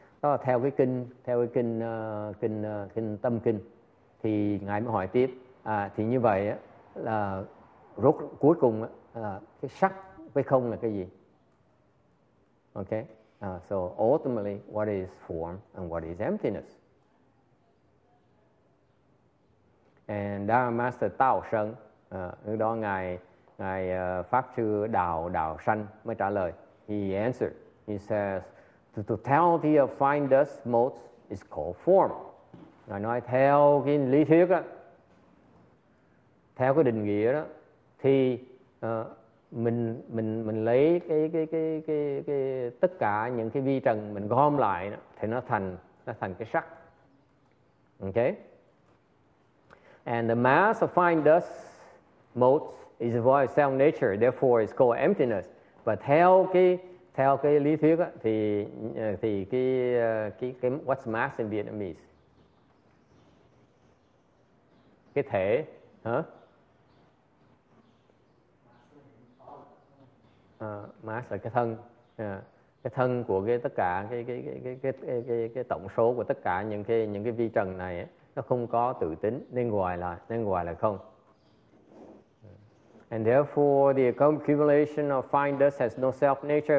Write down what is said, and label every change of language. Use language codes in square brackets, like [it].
[vi] Đó là theo cái kinh tâm kinh. Thì ngài mới hỏi tiếp. Thì như vậy là rốt cuối cùng cái sắc với không là cái gì? [en] Okay. So ultimately, what is form and what is emptiness? [vi] And Dharma Master Tao Sơn, lúc đó ngài pháp sư Đạo Sanh mới trả lời. [en] He answered. He says, the totality of fine dust motes is called form. [vi] Ngài nói theo cái lý thuyết đó, theo cái định nghĩa đó, thì mình lấy cái tất cả những cái vi trần mình gom lại đó, thì nó thành cái sắc. [en] Okay? And the mass of fine dust motes is void of self nature, therefore it's called emptiness. But [vi] theo cái lý thuyết đó, thì cái [en] what's mass in Vietnamese? [vi] Cái thể hả? Mass là cái thân, cái thân của cái tất cả cái tổng số của tất cả những cái vi trần này ấy, nó không có tự tính nên gọi là không. [en] And therefore, the accumulation of fine dust has no self-nature.